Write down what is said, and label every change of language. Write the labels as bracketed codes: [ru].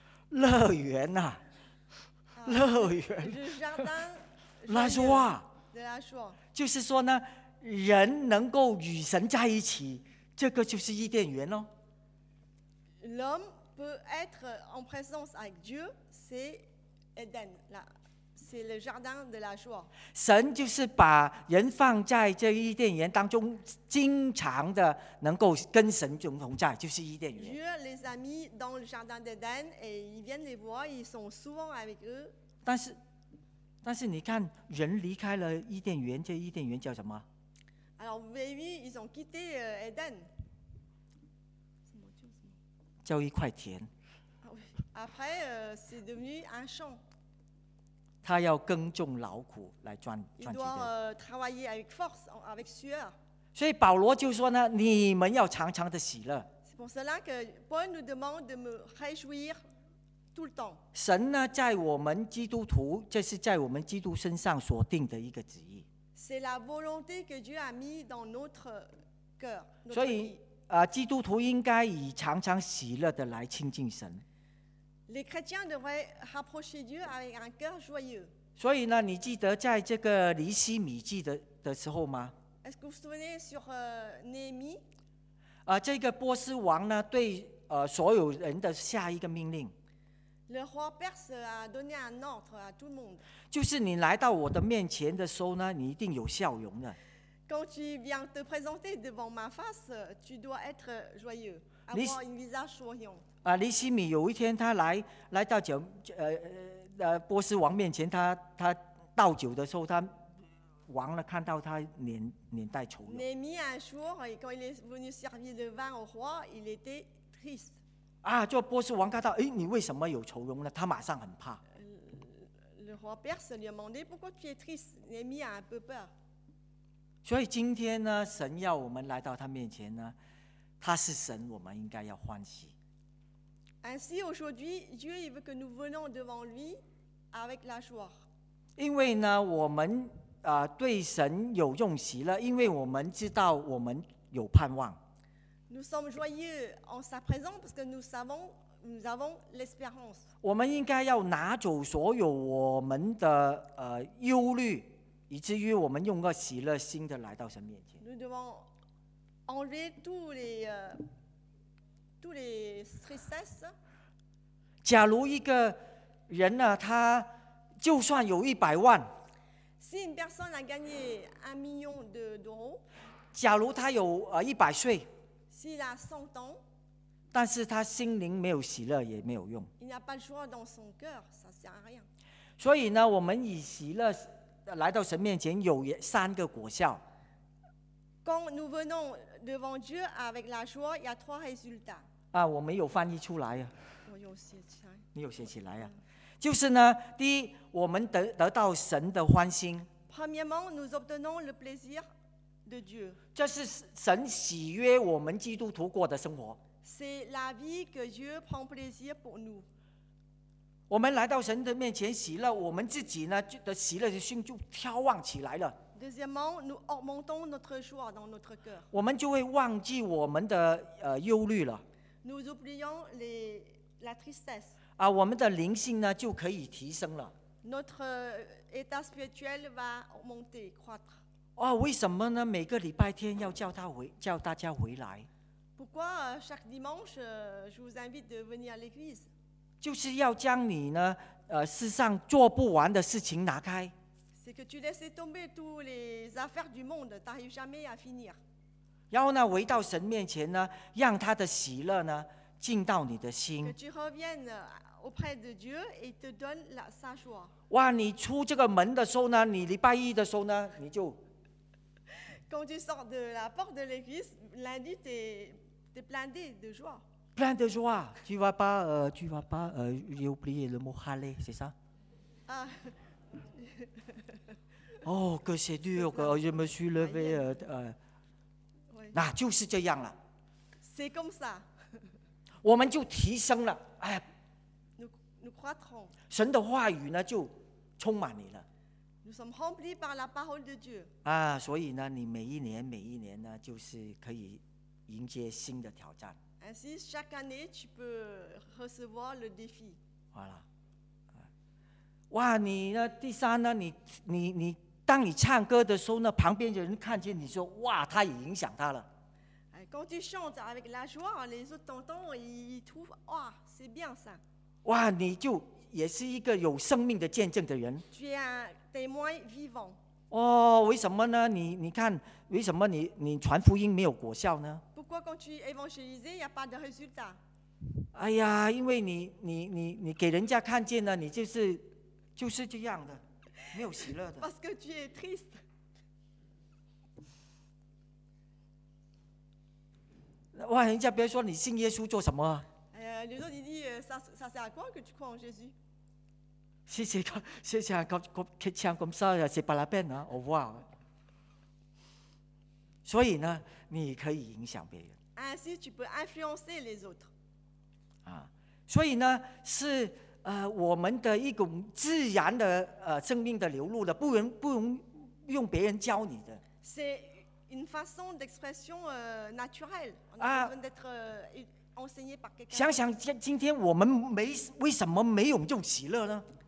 [zh] 乐园呐、啊，乐园。拉什瓦。拉什瓦。就是说呢，人能够与神在一起，这个就是伊甸园喽、哦。 [fr] L'homme peut être en présence avec Dieu, c'est Eden, là, c'est le jardin de la joie. [zh] 神就是把人放在这伊甸园当中，经常的能够跟神同在，就是伊甸园。 [fr] Dieu les a mis dans le jardin d'Eden et ils viennent les voir, ils sont souvent avec eux. [zh] 但是你看，人离开了伊甸园，这伊甸园叫什么 [fr] ？Alors maybe ils ont quitté Eden. [zh] 叫一块田。 [fr] Après, c'est devenu un champ. [zh] 他要耕种劳苦来赚钱。 [fr] Il doit travailler avec force, avec sueur. [zh] 所以保罗就说呢，你们要常常的喜乐。 [fr] C'est pour cela que Paul nous demande de me réjouir tout le temps. [zh] 神呢，在我们基督徒，这是在我们基督身上所定的一个旨意。 [fr] C'est la volonté que Dieu a mis dans notre cœur. [zh] 所以基督徒应该以常常喜乐的来亲近神。 [fr] Les chrétiens devraient rapprocher Dieu avec un cœur joyeux. [zh] 所以呢，你记得在这个尼希米记的时候吗？ [fr] Est-ce que vous vous souvenez sur Néhémie? [zh] 这个波斯王呢，对所有人的下一个命令。 [fr] Le roi perse a donné un ordre à tout le monde. [zh] 就是你来到我的面前的时候呢，你一定有笑容的。 [fr] Quand tu viens te présenter devant ma face, tu dois être joyeux, avoir un visage souriant. [zh] 尼希米有一天他来到酒波斯王面前，他倒酒的时候，他王呢看到他脸带愁容。 [fr] Néhémie un jour, quand il est venu servir le vin au roi, il était triste. [zh] 这波斯王看到，你为什么有愁容呢？他马上很怕。 [fr] Le roi perse lui a demandé pourquoi tu es triste. Néhémie a un peu peur. [zh] 所以今天呢，神要我们来到他面前呢，他是神，我们应该要欢喜。 [fr] Ainsi aujourd'hui, Dieu veut que nous venions devant lui avec la joie. [zh] 因为呢，我们对神有用喜乐，因为我们知道我们有盼望。 [fr] Nous sommes joyeux en sa présence parce que nous savons nous avons l'espérance. [zh] 我们应该要拿走所有我们的忧虑。以至于我们用个喜乐心的来到神面前。 [fr] Nous devons enlever tous les tristesses. [zh] 假如一个人呢，他就算有一百万。 [fr] Si une personne a gagné un million d'euros. [zh] 假如他有一百岁。 [fr] Si il a cent ans. [zh] 但是他心灵没有喜乐也没有用。 [fr] Il n'a pas de joie dans son cœur, ça sert à rien. [zh] 所以呢，我们以喜乐。来到神面前有三个果效。 [fr] Quand nous venons devant Dieu avec la joie, il y a trois résultats. [zh] 我没有翻译出来啊。我有写起来。你有写起来啊？就是呢，第一，我们得到神的欢心。 [fr] Premièrement, nous obtenons le plaisir de Dieu. [zh] 这是神喜悦我们基督徒过的生活。 [fr] C'est la vie que Dieu prend plaisir pour nous. [zh] 我们来到神的面前喜乐，我们自己呢的喜乐的心就眺望起来了。 [fr] Deuxièmement, nous augmentons notre joie dans notre cœur. [zh] 我们就会忘记我们的忧虑了。 [fr] Nous oublions la tristesse. [zh] 我们的灵性呢就可以提升了。 [fr] Notre état spirituel va augmenter, croître. [zh] 为什么呢？每个礼拜天要叫大家回来。 [fr] Pourquoi chaque dimanche, je vous invite de venir à l'église? [zh] 就是要将你呢，世上做不完的事情拿开。 [fr] C'est que tu laisses tomber toutes les affaires du monde, t'arrives jamais à finir. [zh] 然后呢，回到神面前呢，让他的喜乐呢进到你的心。 [fr] Que tu reviennes auprès de Dieu et te donne la sa joie. [zh] 哇，你出这个门的时候呢，你礼拜一的时候呢，你就。 [fr] Quand tu sors de la porte de l'église, lundi t'es blindé de joie. Plein de joie, tu vas pas, j'ai oublié le mot halé, c'est ça? Oh, que c'est dur, que je me suis levé. Ouais. [zh] 就是这样了。 [fr] C'est comme ça. [zh] 我们就提升了，哎。 [fr] Nous croîtrons. [zh] 神的话语呢，就充满你了。 [fr] Nous sommes remplis par la parole de Dieu. [zh] 所以呢，你每一年呢，就是可以迎接新的挑战。 [fr] Ainsi, chaque année, tu peux recevoir le défi. Voilà. [zh] Wow, 你呢？第三呢？你，当你唱歌的时候呢，旁边的人看见你说，哇，他也影响他了。 [fr] Quand tu chantes avec la joie, les autres t'entendent, ils trouvent, wow, c'est bien ça. [zh] Wow, 你就也是一个有生命的见证的人。 [fr] Tu es un témoin vivant. [zh] 为什么呢？你看，为什么你传福音没有果效呢？ [fr] Pourquoi quand tu évangélises, il n'y a pas de résultat? [zh] 因为你给人家看见了，你就是这样的，没有喜乐的。 [fr] Parce que tu es triste. [zh] 哇，人家别说你信耶稣做什么？ [fr] Les autres, ils disent, ça c'est à quoi que tu crois en Jésus? Si c'est un chrétien comme ça, ce n'est pas la peine, hein, au revoir. [zh] 所以呢, 你可以影响别人。 [fr] Ainsi, tu peux influencer les autres. [zh] 啊, 所以呢, 是, 我们的一种自然的, 生命的流露的, 不用别人教你的。 [fr] C'est une façon d'expression naturelle. On a besoin d'être enseigné par quelqu'un. [zh] 想想今天我们为什么没有这种喜乐呢?